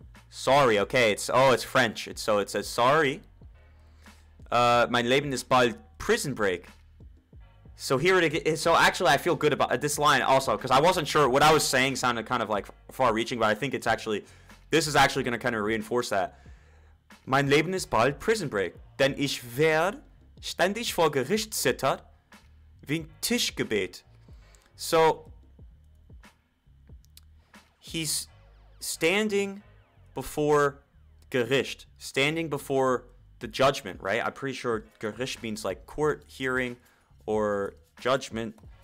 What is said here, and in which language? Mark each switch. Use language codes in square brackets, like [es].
[en] Sorry, okay, it's French. It says sorry. [de] Mein Leben ist bald prison break. [en] So here it is. So actually, I feel good about this line also, because I wasn't sure what I was saying sounded kind of like far-reaching, but I think this is actually going to kind of reinforce that. [de] Mein Leben ist bald prison break, denn ich werde ständig vor Gericht zittert wie ein Tischgebet. [en] So he's standing before Gericht, standing before the judgment, right? I'm pretty sure Gericht means like court hearing or judgment.